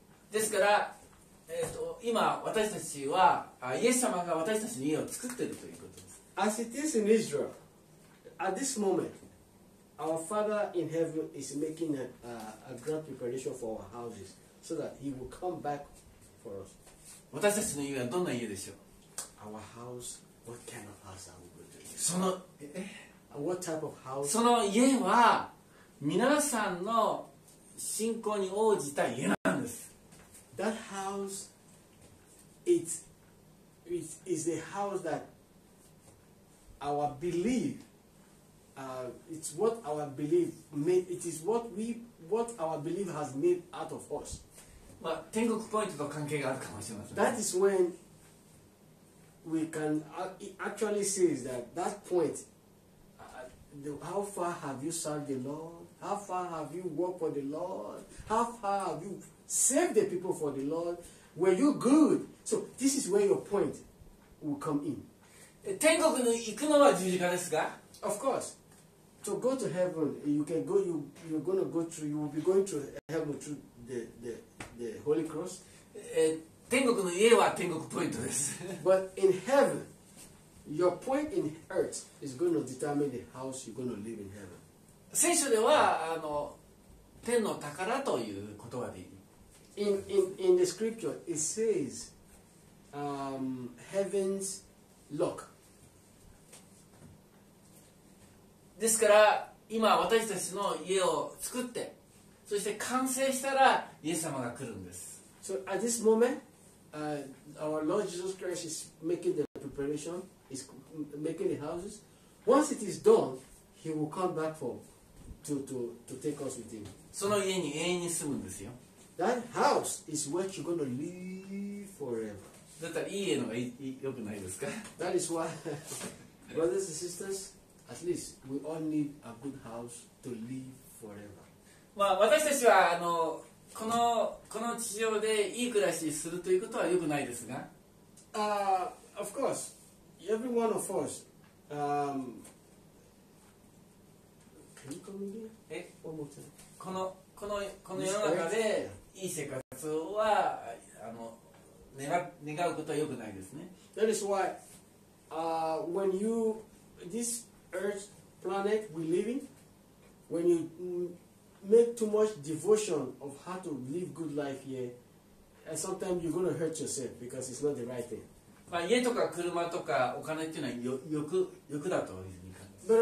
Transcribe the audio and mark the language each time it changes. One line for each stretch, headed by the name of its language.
Japanese: ですから、今私たちはイエス様が私たちの家を作っているということです。
English: As it is in Israel, at this moment,Our Father in heaven is making a grand preparation for our houses so that He will come back for us.
Japanese: 私たちの家はどんな家でしょう?
English: Our house, what kind of house are we going to use? その、 What type of house?
Japanese: その家は皆さんの信仰に応じた家なんです。
English: That house is the house that our beliefit's what our belief made. It is what our belief has made out of us.
Japanese: まあ、天国ポイントと関係があるかもしれません。
English: That is when we can actually see is that point. How far have you served the Lord? How far have you worked for the Lord? How far have you saved the people for the Lord? Were you good? So this is where your point will come in.
Japanese: 天国に行くのは十字架ですが。
English: Of course. So go to heaven. You can go. You're gonna go through. You will be going to heaven through the Holy Cross.
Japanese: 天国の家は天国ポイントです。
English: But in heaven, your point in earth is going to determine the house you're going to live in heaven.
Japanese: 聖書では天の宝という言葉で。
English: In the scripture it says, heaven's lock.
Japanese: ですから今私たちの家を作ってそして完成したらイエス様が来るんです。
English: So at this moment, our Lord Jesus Christ is making the preparation, is making the houses. Once it is done, He will come back for to take us with Him.
Japanese: その家に永遠に住むんですよ。
English: That house is what you're gonna live forever.
Japanese: だったらいい家の方が良くないですか
English: ？That is why, brothers and sisters. At least we all need a good house to live forever.
Japanese: まあ私たちはこの地上でいい暮らしするということはよくないですが。
English: Of course, every one of us. Can you come again? One more time.
Japanese: この世の中でいい生活は願うことはよくないですね。
English: That is why, when you this. Earth planet we live in, when you make too much devotion of how to live good life here, and sometimes you're gonna hurt yourself because it's not the right thing.
Japanese: まあ家とか車とかお金っていうのは欲だというふうに。